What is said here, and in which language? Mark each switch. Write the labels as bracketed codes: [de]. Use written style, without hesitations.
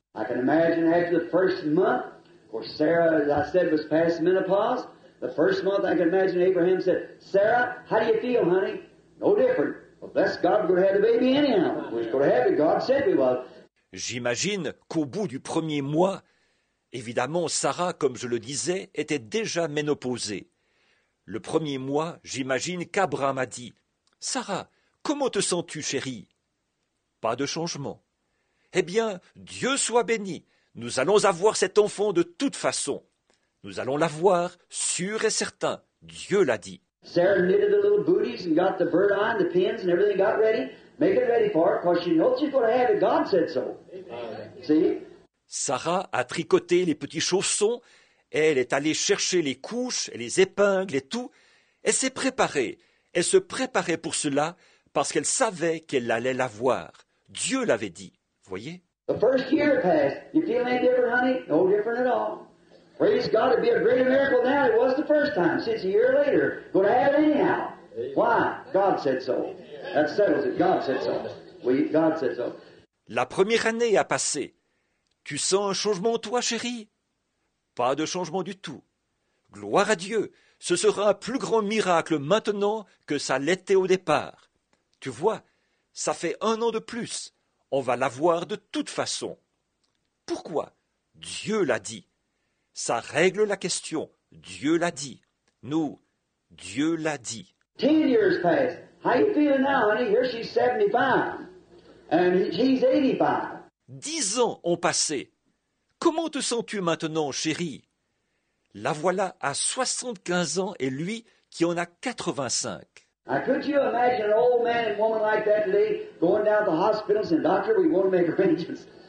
[en] I can imagine after the first month, for Sarah, as I said, was past menopause. The first month, I can imagine Abraham said, Sarah, how do you feel, honey? No different. Well, bless God, we're going to have the baby anyhow. We're going to have it. God said we would. [fr] J'imagine qu'au bout du premier mois, évidemment, Sarah, comme je le disais, était déjà ménopausée. Le premier mois, j'imagine qu'Abraham a dit, « Sarah, comment te sens-tu, chérie ?» Pas de changement. « Eh bien, Dieu soit béni, nous allons avoir cet enfant de toute façon. Nous allons l'avoir, sûr et certain, Dieu l'a dit. » [en] Sarah knitted the little booties and got the bird eye and the pins and everything got ready. Make it ready for it, because she knows she's going to have it. God said so. See? [fr] Sarah a tricoté les petits chaussons, elle est allée chercher les couches et les épingles et tout. Elle s'est préparée, elle se préparait pour cela parce qu'elle savait qu'elle allait l'avoir. Dieu l'avait dit, voyez. [en] The first year passed. You feel any different, honey? No different at all. Praise God, it'd be a greater miracle now than it was the first time. Since a year later, going to have it anyhow. Why? God said so. That settles it. God said so. [fr] Oui, [en] God said so. [fr] La première année a passé. Tu sens un changement en toi, chérie? Pas de changement du tout. Gloire à Dieu, ce sera un plus grand miracle maintenant que ça l'était au départ. Tu vois, ça fait un an de plus. On va l'avoir de toute façon. Pourquoi? Dieu l'a dit. Ça règle la question. Dieu l'a dit. Nous, Dieu l'a dit. [en] 10 years passed. How you feeling now, honey? Here she's 75. And she's 85. [fr] 10 ans ont passé. Comment te sens-tu maintenant, chérie? La voilà à 75 ans et lui qui en a 85. [en] Now, could you imagine an old man and woman like that today going down to the hospitals and doctor, we want to make arrangements.